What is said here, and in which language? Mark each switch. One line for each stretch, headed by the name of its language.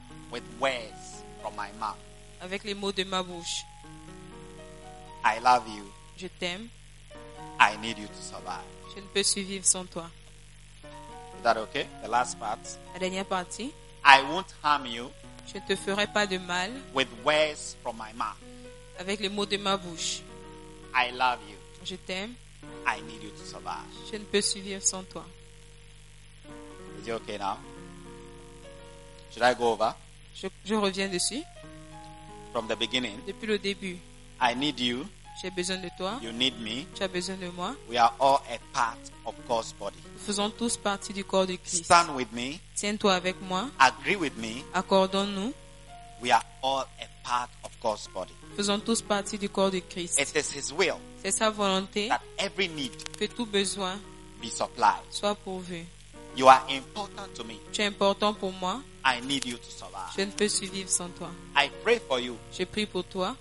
English: With words from my mouth.
French: Avec les mots de ma bouche.
English: I love you.
French: Je t'aime.
English: I need you to survive.
French: Je ne peux survivre sans toi.
English: Is that okay? The last part.
French: La dernière partie.
English: I won't harm you.
French: Je te ferai pas de mal.
English: With words from my mouth.
French: Avec les mots de ma bouche.
English: I love you.
French: Je t'aime.
English: I need you to survive.
French: Je ne peux survivre sans toi.
English: Is it okay now? Should I go over?
French: Je reviens dessus.
English: From the beginning.
French: Depuis le début.
English: I need you.
French: J'ai besoin de toi.
English: You need me.
French: Tu as besoin de moi.
English: We are all a part of God's body.
French: Nous faisons tous partie du corps de Christ.
English: Stand with me.
French: Tiens-toi avec moi.
English: Agree with me.
French: Accordons-nous.
English: We are all a part of God's body.
French: Nous faisons tous partie du corps de Christ.
English: It is His will.
French: C'est sa volonté.
English: That every need.
French: Que tout besoin.
English: Be supplied.
French: Soit pourvu.
English: You are important to me.
French: Tu es important pour moi.
English: I need you to survive.
French: Je ne peux survivre sans toi.
English: I pray for you.
French: Je prie pour toi.